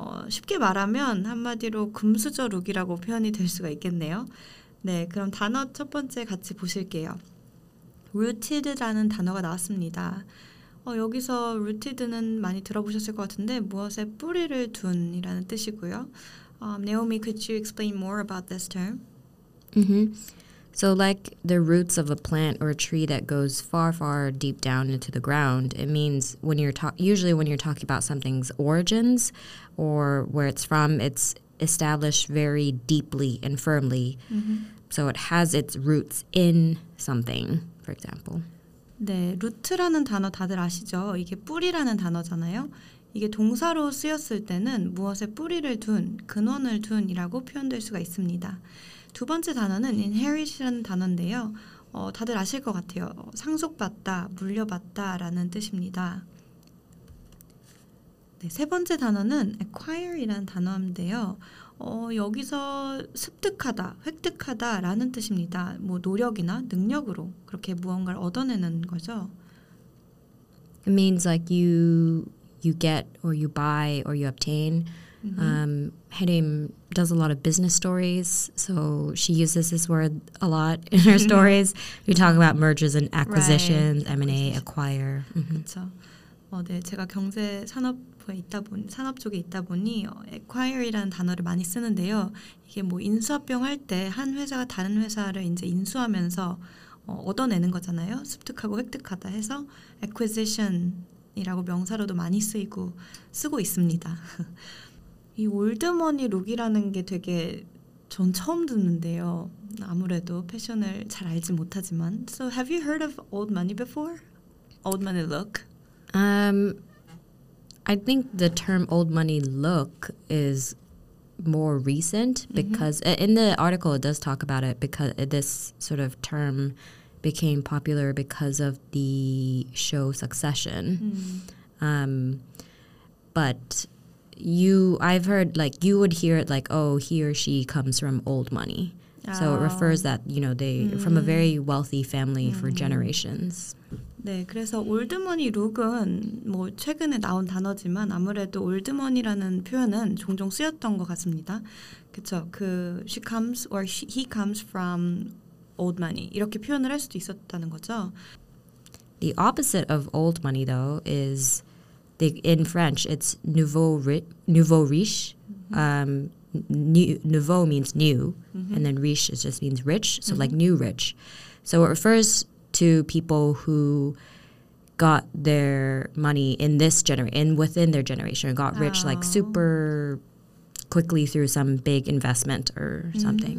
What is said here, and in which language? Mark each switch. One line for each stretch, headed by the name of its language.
Korean: 쉽게 말하면 한마디로 금수저 룩이라고 표현이 될 수가 있겠네요. 네, 그럼 단어 첫 번째 같이 보실게요. Rooted라는 단어가 나왔습니다. 여기서 rooted는 많이 들어보셨을 것 같은데 무엇에 뿌리를 둔이라는 뜻이고요.
English: Naomi, could you explain more about this term? Mm-hmm. So like the roots of a plant or a tree that goes far, far deep down into the ground, it means when you're usually when you're talking about something's origins or where it's from, it's established very deeply and firmly. Mm-hmm. So it has its roots in something, for example.
Korean: 네, root라는 단어 다들 아시죠? 이게 뿌리라는 단어잖아요. 이게 동사로 쓰였을 때는 무엇에 뿌리를 둔, 근원을 둔이라고 표현될 수가 있습니다. 두 번째 단어는 inherit이라는 단어인데요. 다들 아실 것 같아요. 상속받다, 물려받다라는 뜻입니다. 네, 세 번째 단어는 acquire이라는 단어인데요. 여기서 습득하다, 획득하다라는 뜻입니다. 뭐 노력이나 능력으로 그렇게 무언가를 얻어내는 거죠.
English: It means like you get or you buy or you obtain. Harim does a lot of business stories, so she uses this word a lot in her stories. We talk about mergers and acquisitions, right. M&A, acquire.
Korean: Mm-hmm. 그렇죠. 네, 제가 경제 산업부에 산업 쪽에 있다 보니 acquire이라는 단어를 많이 쓰는데요. 이게 뭐 인수합병할 때 한 회사가 다른 회사를 이제 인수하면서 얻어내는 거잖아요. 습득하고 획득하다 해서 acquisition이라고 명사로도 많이 쓰이고 쓰고 있습니다. 이 올드머니 룩이라는 게 되게 전 처음 듣는데요. 아무래도 패션을 잘 알지 못하지만.
English: So have you heard of old money before? Old money look? I think the term old money look is more recent because mm-hmm. in the article it does talk about it because this sort of term became popular because of the show Succession. Mm-hmm. But... I've heard like you would hear it like, oh, he or she comes from old money. Oh. So it refers that, you know, they mm. from a very wealthy family mm. for generations.
Korean: 네, 그래서 올드머니 룩은 뭐 최근에 나온 단어지만 아무래도 올드머니라는 표현은 종종 쓰였던 것 같습니다. 그렇죠. 그
English: she comes or he comes from old money.
Korean: 이렇게 표현을 할 수도 있었다는 거죠.
English: The opposite of old money though is in French, it's nouveau riche. Mm-hmm. Nouveau means new, mm-hmm. and then riche just means rich, so mm-hmm. like new rich. So it refers to people who got their money in this generation, within their generation, got rich like super quickly through some big investment or something.